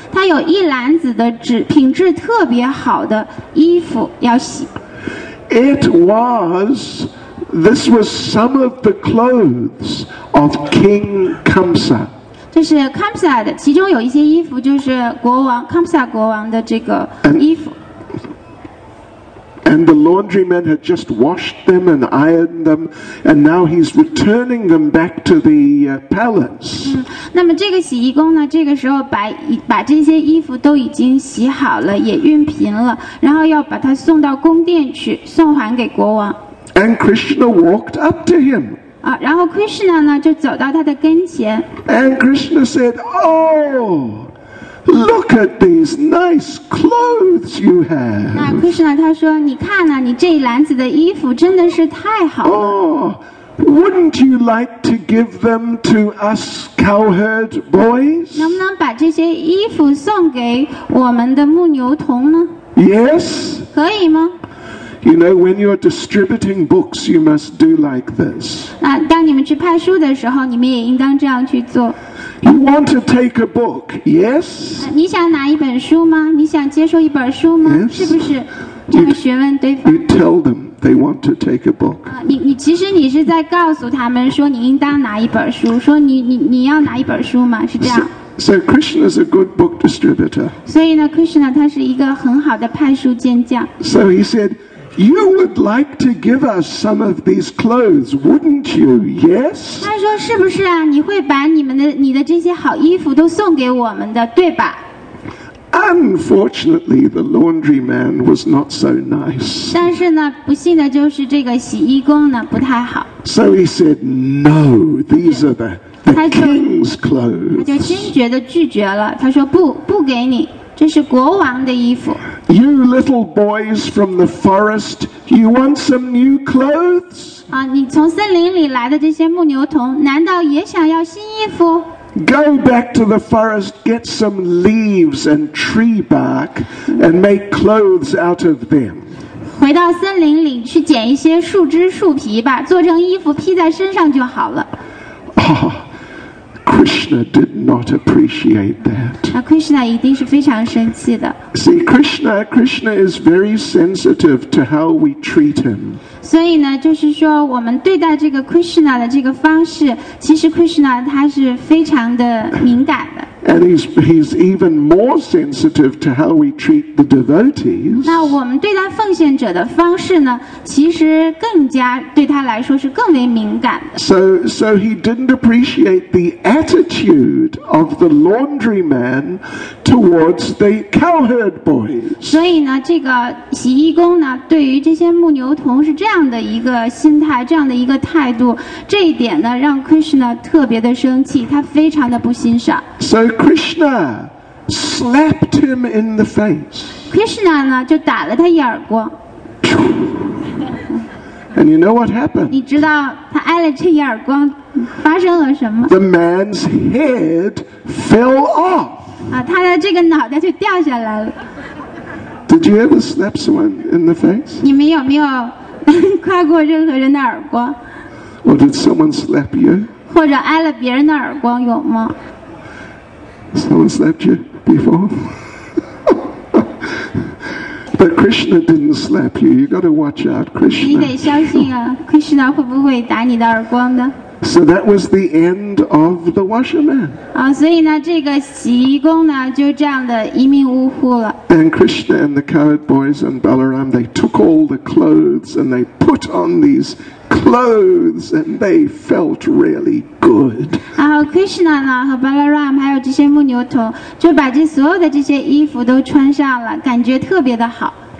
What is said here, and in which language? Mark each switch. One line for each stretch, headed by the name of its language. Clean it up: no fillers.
Chinese: 他有一篮子的品质特别好的衣服要洗。
English: This was some of the clothes of King Kamsa.
Chinese: 这是 Kamsa 的，其中有一些衣服就是国王 Kamsa 国王的这个衣服。
English: And the laundryman had just washed them and ironed them, and now he's returning them back to the palace.
Chinese: 那么这个洗衣工呢，这个时候把这些衣服都已经洗好了，也熨平了，然后要把它送到宫殿去，送还给国王。
English: And Krishna walked up to him.
Chinese: 然后 Krishna 呢就走到他的跟前。
English: And Krishna said, "Oh, look at these nice clothes you have."
Chinese: 那 Krishna 他说，你看呢，你这一篮子的衣服真的是太好了。
English: Oh, wouldn't you like to give them to us cowherd boys?
Chinese: 能不能把这些衣服送给我们的牧牛童呢
English: ？Yes.
Chinese: 可以吗？
English: You know, when you're distributing books, you must do like this.
Chinese: 那当你们去派书的时候，你们也应当这样去做。
English: You want to take a book, yes?
Chinese: 你想拿一本书吗？你想接受一本书吗？
English: Yes.
Chinese: 是不是这个学问对
English: 方？ You tell them they want to take a book.
Chinese: 你其实你是在告诉他们说你应当拿一本书，说你要拿一本书吗？是这样。
English: So Krishna is a good book distributor.
Chinese: 所以呢 ，Krishna 他是一个很好的派书健将。
English: So he said. You would like to give us some of these clothes, wouldn't you? Yes.
Chinese: 他说是不是啊？你会把你的这些好衣服都送给我们的，对吧
English: ？Unfortunately, the laundry man was not so nice.
Chinese: 但是呢，不幸的就是这个洗衣工呢不太好。
English: So he said, "No, these are the king's clothes."
Chinese: 他就坚决的拒绝了。他说不给你。这是国王的衣服。
English: You little boys from the forest, you want some new clothes?
Chinese: 你从森林里来的这些牧牛童，难道也想要新衣服？
English: Go back to the forest, get some leaves and tree bark, and make clothes out of them.
Chinese: 回到森林里去捡一些树枝树皮吧，做成衣服披在身上就好了。
English: Krishna did not appreciate that.
Chinese: 那 Krishna 一定是非常生气的。
English: See, Krishna is very sensitive to how we treat him.
Chinese: 所以呢，就是说我们对待这个 Krishna 的这个方式，其实 Krishna 他是非常的敏感的。
English: And he's even more sensitive to how we treat the devotees.
Chinese: 那我们对待奉献者的方式呢，其实更加对他来说是更为敏感的。
English: So he didn't appreciate the attitude of the laundry man towards the cowherd boys.
Chinese: 所以呢，这个洗衣工呢，对于这些牧牛童是这样的一个心态，这样的一个态度，这一点呢，让 Krishna 特别的生气，他非常的不欣赏。
English: So Krishna slapped him in the face.
Chinese: Krishna 呢就打了他一耳光。
English: And you know what happened?
Chinese: 你知道他挨了这一耳光发生了什么
English: ？The man's head fell off.
Chinese: 他的这个脑袋就掉下来了。
English: Did you ever slap someone in the face?
Chinese: 你们有没有夸过任何人的耳光
English: ？Or did someone slap you?
Chinese: 或者挨了别人的耳光有吗？
English: Someone slapped you before? But Krishna didn't slap you. You got to watch out, Krishna.
Chinese: 你得相信啊 ，Krishna 会不会打你的耳光呢
English: ？So that was the end of the washerman.
Chinese: 所以呢，这个洗衣工呢，就这样的一命呜呼了。
English: And Krishna and the cowherd boys and Balaram, they took all the clothes and they put on these. Clothes and they felt really good.
Chinese: 然后 Krishna 呢和 Balaram 还有这些牧牛童就把这所有的这些衣服都穿上了，感觉特别的好。